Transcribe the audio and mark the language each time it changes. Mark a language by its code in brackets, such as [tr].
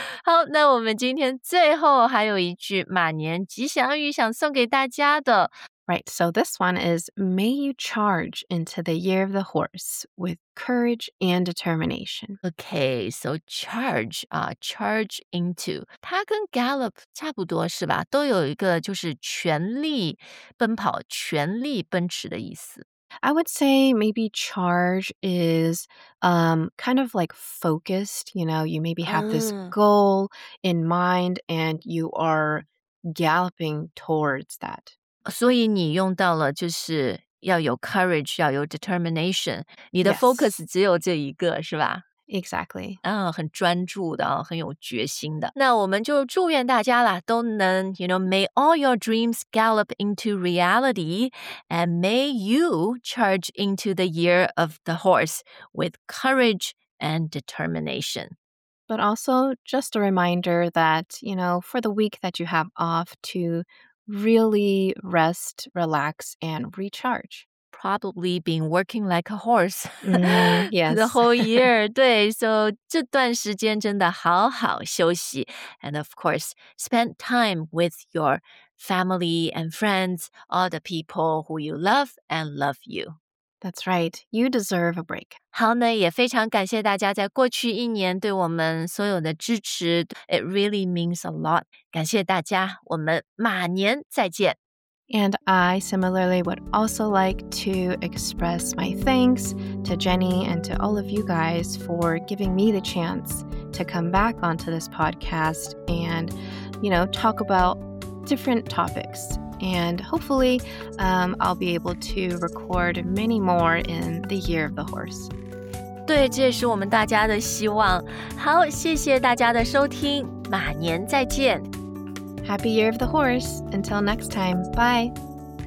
[zh] 好那我们今天最后还有一句马年吉祥语想送给大家的。 [en] Right, so this one is, may you charge into the year of the horse with courage and determination. Okay, so charge, charge into. [zh] 它跟 gallop 差不多是吧？都有一个就是全力奔跑、全力奔驰的意思。 [en] I would say maybe charge is kind of like focused, you know, you maybe have this goal in mind and you are galloping towards that. [zh] 所以你用到了就是要有 courage, 要有 determination, 你的 focus 只有这一个、 [en] yes. [zh] 是吧 [en] Exactly. [zh] 很专注的，很有决心的。那我们就祝愿大家啦，都能 [en] you know, may all your dreams gallop into reality and may you charge into the year of the horse with courage and determination. But also just a reminder that, you know, for the week that you have off to really rest, relax, and recharge. Probably been working like a horse yes. the whole year. [zh] 对, so 这段时间真的好好休息。 [en] And of course, spend time with your family and friends, all the people who you love and love you. That's right. You deserve a break. [zh] 好呢，也非常感谢大家在过去一年对我们所有的支持。 [en] It really means a lot. [zh] 感谢大家，我们马年再见。 [en] And I similarly would also like to express my thanks to Jenny and to all of you guys for giving me the chance to come back onto this podcast and, you know, talk about different topics. And hopefully, I'll be able to record many more in the Year of the Horse. [zh] 对，这也是我们大家的希望。好，谢谢大家的收听，马年再见。 [en] Happy Year of the Horse. Until next time, bye.